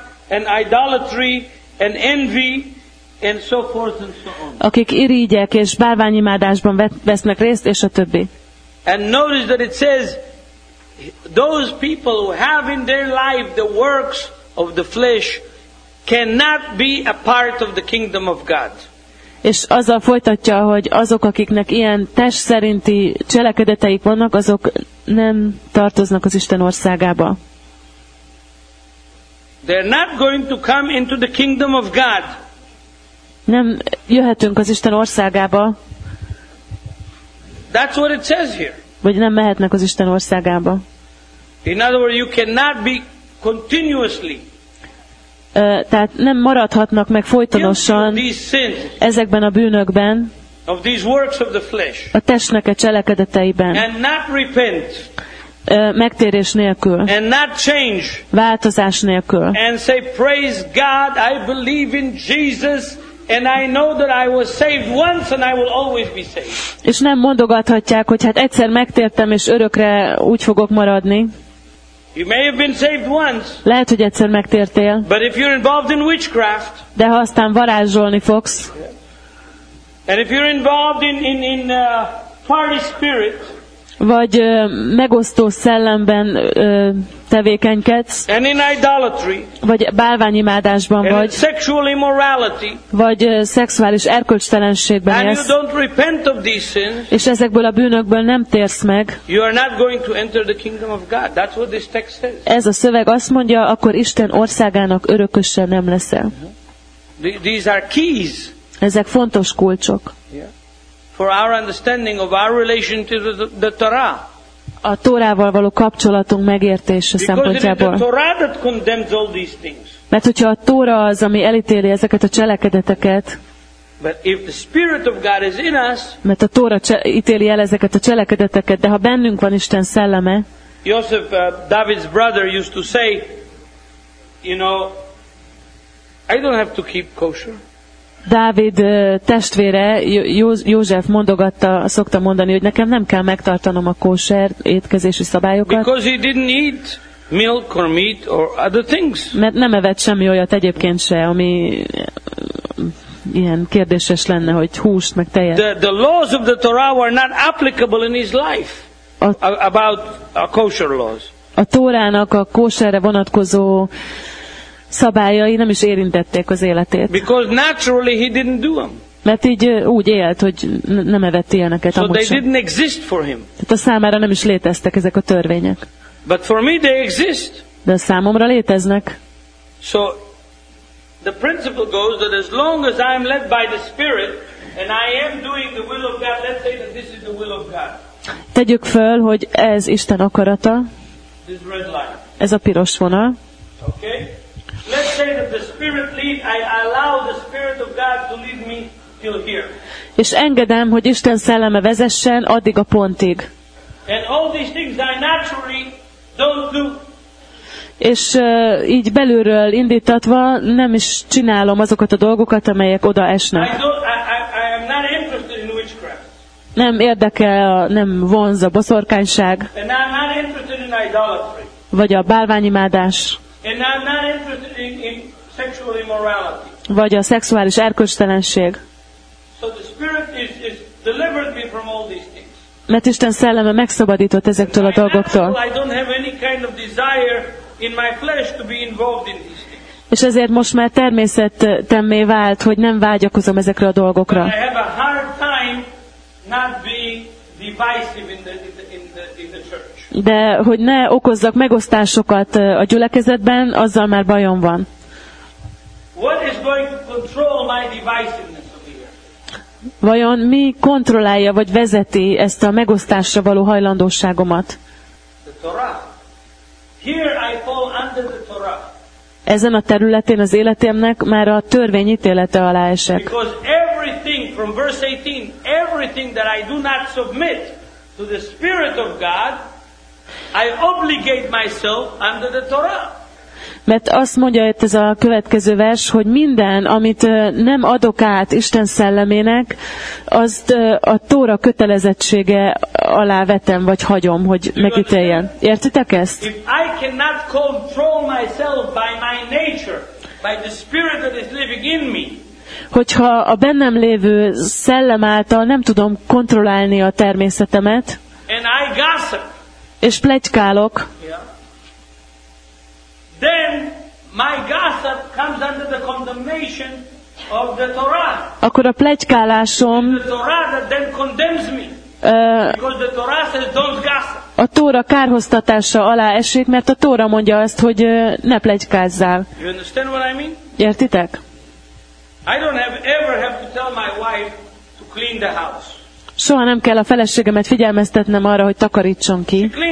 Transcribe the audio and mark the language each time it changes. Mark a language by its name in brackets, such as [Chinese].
[English] and idolatry and envy and so forth and so on. [Hungarian] Akik irigyek és bárványimádásban vesznek részt és a többi. [English] And notice that it says those people who have in their life the works of the flesh cannot be a part of the kingdom of God. [Hungarian] És azzal folytatja, hogy azok, akiknek ilyen test szerinti cselekedeteik vannak, azok nem tartoznak az Isten országába. [English] They're not going to come into the kingdom of God. [Hungarian] Nem jöhetünk az Isten országába. [English] That's what it says here. [Hungarian] Vagy nem mehetnek az Isten országába. [English] In other words, you cannot be continuously. [Hungarian] Tehát nem maradhatnak meg folytonosan ezekben a bűnökben. [English] Of these works of the flesh. [Hungarian] A testnek a cselekedeteiben. [English] And not repent. [Hungarian] Megtérés nélkül. [English] And not change. [Hungarian] Változás nélkül. [English] And say, praise God, I believe in Jesus, and I know that I was saved once, and I will always be saved. [Hungarian] És nem mondogathatják, hogy hát egyszer megtértem, és örökre úgy fogok maradni. [English] You may have been saved once. [Hungarian] Lehet, hogy egyszer megtértél. [English] But if you're involved in witchcraft. [Hungarian] De ha aztán varázsolni fogsz. [English] And if you're involved in party spirit. [Hungarian] Vagy megosztó szellemben tevékenykedsz, [English] and in idolatry, [Hungarian] vagy bálványimádásban [English] and [Hungarian] vagy, [English] in sexual immorality, [Hungarian] vagy szexuális erkölcstelenségben élsz, [English] and you don't repent of these sins, [Hungarian] és ezekből a bűnökből nem térsz meg, [English] you are not going to enter the kingdom of God. That's what this text says. [Hungarian] Ez a szöveg azt mondja, akkor Isten országának örökösse nem leszel. [English] These are keys. [Hungarian] Ezek fontos kulcsok. [English] For our understanding of our relation to the Torah. [Hungarian] A Tórával való kapcsolatunk megértése szempontjából. [English] Because it is the Torah that condemns all these things. [Hungarian] Mert hogyha a Tóra az, ami elítéli ezeket a cselekedeteket. [English] But if the Spirit of God is in us. [Hungarian] Mert a Tóra ítéli el ezeket a cselekedeteket, de ha bennünk van Isten szelleme. [English] Joseph, David's brother, used to say, you know, I don't have to keep kosher. [Hungarian] Dávid testvére, József mondogatta, szokta mondani, hogy nekem nem kell megtartanom a kóser étkezési szabályokat. [English] Because he didn't eat milk or meat or other things. [Hungarian] Mert nem evett semmi olyat egyébként se, ami ilyen kérdéses lenne, hogy húst meg tejet. [English] The laws of the Torah were not applicable in his life about kosher laws. [Hungarian] A Tórának a kóserre vonatkozó szabályai nem is érintették az életét. [English] Because naturally he didn't do them. [Hungarian] Mert így úgy élt, hogy nem evett ilyeneket amúgy. [English] So they didn't exist for him. [Hungarian] Tehát a számára nem is léteztek ezek a törvények. [English] But for me they exist. [Hungarian] De a számomra léteznek. [English] So the principle goes that as long as I am led by the Spirit and I am doing the will of God, let's say that this is the will of God. [Hungarian] Tegyük föl, hogy ez Isten akarata. [English] This red line. [Hungarian] Ez a piros vonal. [English] Okay. Let's say that the Spirit lead, I allow the Spirit of God to lead me till here. [Hungarian] És engedem, hogy Isten szelleme vezessen addig a pontig. [English] And all these things I naturally don't do. [Hungarian] És így belülről indítatva nem is csinálom azokat a dolgokat, amelyek oda esnek. [English] I am not interested in witchcraft. [Hungarian] Nem érdekel, nem vonz a boszorkányság. [English] And I'm not interested in idolatry. [Hungarian] Vagy a bálványimádás. [English] And I'm not interested in sexual immorality. [Hungarian] Vagy a szexuális erkölcstelenség. [English] So the Spirit is delivered me from all these things. [Hungarian] Mert Isten szelleme megszabadított ezektől a dolgoktól. [English] I don't have any kind of desire in my flesh to be involved in these things. [Hungarian] És ezért most már természetemmé vált, hogy nem vágyakozom ezekre a dolgokra. [English] But I have a hard time not being divisive in the church. [Hungarian] De hogy ne okozzak megosztásokat a gyülekezetben, azzal már bajom van. [English] What is going to control my divisiveness over here? [Hungarian] Vajon mi kontrollálja vagy vezeti ezt a megosztásra való hajlandóságomat? [English] The Torah. Here I fall under the Torah. [Hungarian] Ezen a területén az életemnek már a törvény ítélete alá esek. [English] Because everything from verse 18, everything that I do not submit to the Spirit of God, I obligate myself under the Torah. [Hungarian] Mert azt mondja itt ez a következő vers, hogy minden, amit nem adok át Isten szellemének, azt a Tóra kötelezettsége alá vetem, vagy hagyom, hogy megítéljen. Értitek ezt? [English] If I cannot control myself by my nature, by the spirit that is living in me, [Hungarian] hogyha a bennem lévő szellem által nem tudom kontrollálni a természetemet, [English] and I gossip, [Hungarian] és pletykálok, [English] then my gossip comes under the condemnation of the Torah. [Hungarian] Akkor a pletykálásom, [English] the Torah that then condemns me, because the Torah says don't gossip. [Hungarian] A Tóra kárhoztatása alá esik, mert a Tóra mondja azt, hogy ne pletykázzál. [English] You understand what I mean? [Hungarian] Értitek? [English] I don't ever have to tell my wife to clean the house. [Hungarian] Soha nem kell a feleségemet figyelmeztetnem arra, hogy takarítson ki.